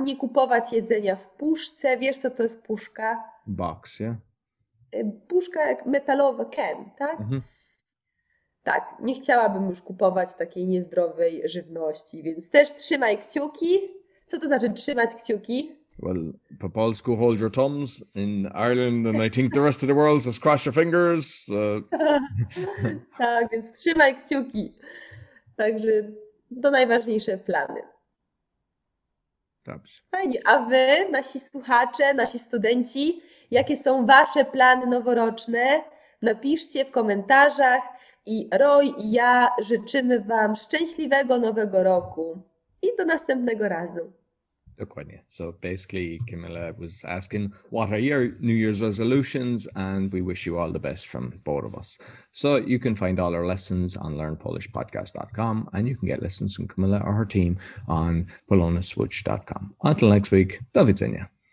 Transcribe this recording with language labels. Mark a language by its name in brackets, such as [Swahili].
[Polish] Nie kupować jedzenia w puszce. Wiesz, co to jest puszka? [English] Box, ja. [Polish] Puszka jak metalowy can, tak? Tak, nie chciałabym już kupować takiej niezdrowej żywności, więc też trzymaj kciuki. Co to znaczy trzymać kciuki? [English] Well, [Polish] po polsku [English] hold your thumbs in Ireland and I think the rest of the world just cross your fingers. [Polish] Tak, więc trzymaj kciuki. Także. To najważniejsze plany. Dobrze. Fajnie. A wy, nasi słuchacze, nasi studenci, jakie są wasze plany noworoczne? Napiszcie w komentarzach i Roy i ja życzymy wam szczęśliwego nowego roku i do następnego razu. Dokładnie. [English] So basically, Camilla was asking, what are your New Year's resolutions? And we wish you all the best from both of us. So you can find all our lessons on learnpolishpodcast.com, and you can get lessons from Camilla or her team on poloniswitch.com. Until next week, [Polish] do widzenia.